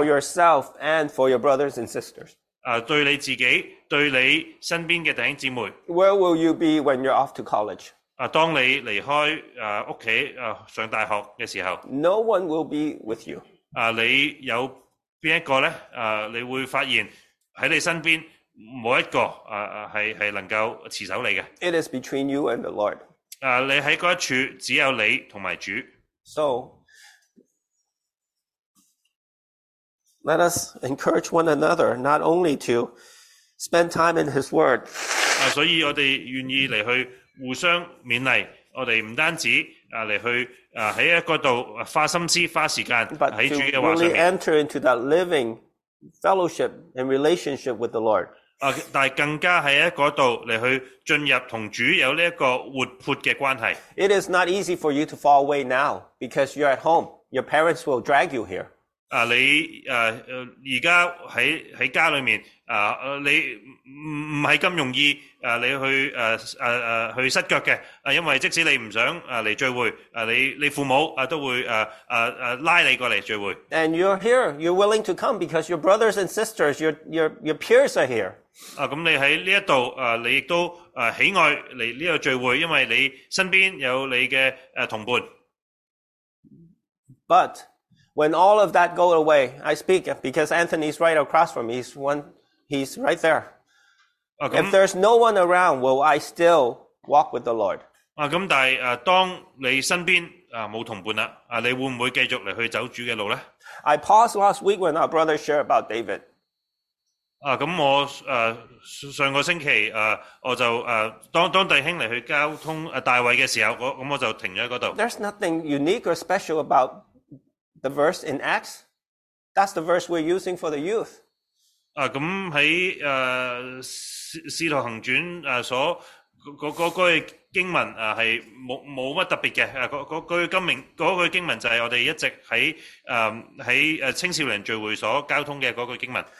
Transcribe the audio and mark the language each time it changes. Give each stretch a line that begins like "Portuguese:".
English: ，for yourself and for your brothers and sisters，
Cantonese: 对你自己，对你身边嘅弟兄姊妹
English: ，where will you be when you're off to college？
Cantonese: 当你离开屋企上大学嘅时候
English: ，No one will be with you。
Cantonese: 你有边一个咧？你会发现喺你身边冇一个系能够持守你嘅。
English: It is between you and the Lord。
Cantonese: 你喺嗰一处只有你同埋主。
English: So let us encourage one another, not only to spend time in His Word。
Cantonese: 所以我哋愿意嚟去。互相勉励，我哋唔单止嚟去喺一个度花心思、花时间喺主嘅话上面。
English: Really enter into that living fellowship and relationship with the Lord。
Cantonese: 但系更加喺一个度嚟去进入同主有呢一个活泼嘅关系。
English: It is not easy for you to fall away now because you're at home. Your parents will drag you here。
Cantonese: 你而家喺家里面你唔系咁容易。你去失脚嘅，因为即使你唔想嚟聚会，你父母都会拉你过嚟聚会。
English: And you're here, you're willing to come because your brothers and sisters, your peers are here.
Cantonese: 咁你喺呢一度你亦都喜爱嚟呢个聚会，因为你身边有你嘅同伴。
English: But when all of that go away, I speak because Anthony's right across from me. He's right there. If there's no one around, will I still walk with the Lord?
Cantonese: 咁但系当你身边冇同伴啦，你会唔会继续嚟去走主嘅路咧
English: ？I paused last week when our brother shared about David.
Cantonese: 咁我上个星期我就当弟兄嚟去交通大卫嘅时候，咁我就停咗喺嗰度。
English: There's nothing unique or special about the verse in Acts. That's the verse we're using for the youth.
Cantonese: 咁喺使徒行传所嗰句经文係冇乜特别嘅嗰句经文就係我哋一直喺青少年聚会所交通嘅嗰句经文。